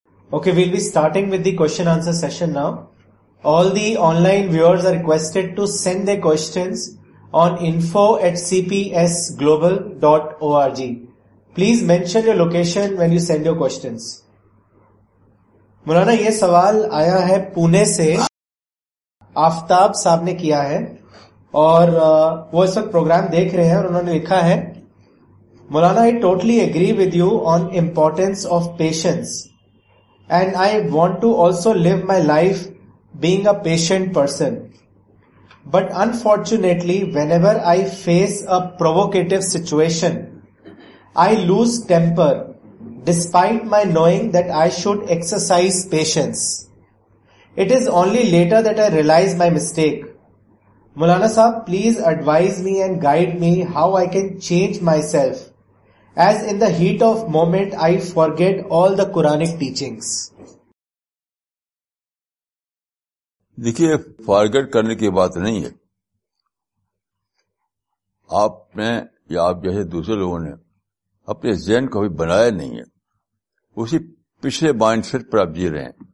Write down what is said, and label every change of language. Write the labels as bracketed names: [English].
[English] Okay, we'll be starting with the question answer session now. All the online viewers are requested to send their questions on info@cpsglobal.org. Please mention your location when you send your questions. [Urdu] مولانا یہ سوال آیا ہے پونے سے, آفتاب صاحب نے کیا ہے اور وہ اس وقت پروگرام دیکھ رہے ہیں اور انہوں نے لکھا ہے, مولانا [English] I totally agree with you on importance of patience and I want to also live my life being a patient person. But unfortunately, whenever I face a provocative situation, I lose temper despite my knowing that I should exercise patience. It is only later that I realize my mistake. Maulana Saab, please advise me and guide me how I can change myself, as in the heat of moment, I forget all the Quranic teachings. [Urdu] دیکھیے, forget کرنے کی بات نہیں ہے. آپ نے یا آپ جیسے دوسرے لوگوں نے اپنے ذہن کو بھی بنایا نہیں ہے, اسی پچھلے مائنڈ سیٹ پر آپ جی رہے ہیں.